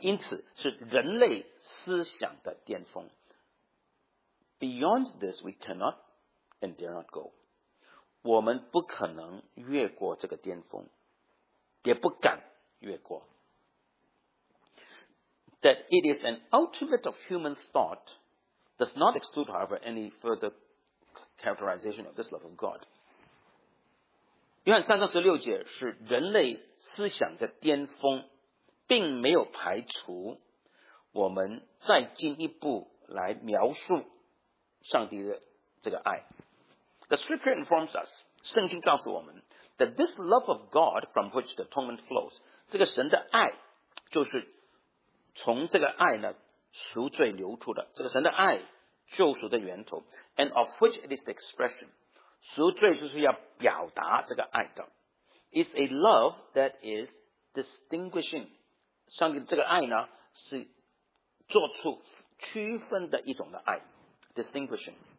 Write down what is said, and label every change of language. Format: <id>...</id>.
<zh>因此是人类思想的巅峰。</zh> <en>Beyond this, we cannot and dare not go.</en> <zh>我们不可能越过这个巅峰。也不敢越过。</zh> <en>That it is an ultimate of human thought. Does not exclude, however, any further characterization of this love of God.</en> <zh>约翰三章十六节是人类思想的巅峰，并没有排除我们再进一步来描述上帝的这个爱。</zh> <en>The scripture informs us,</en> <zh>圣经告诉我们</zh> <en>that this love of God from which the atonement flows,</en> <zh>这个神的爱就是从这个爱呢赎罪流出的。这个神的爱救赎的源头</zh> <en>and of which it is the expression</en> <zh>赎罪就是要表达这个爱的</zh> <en>is a love that is distinguishing</en> <zh>上帝这个爱呢是做出区分的一种的爱 distinguishing</zh>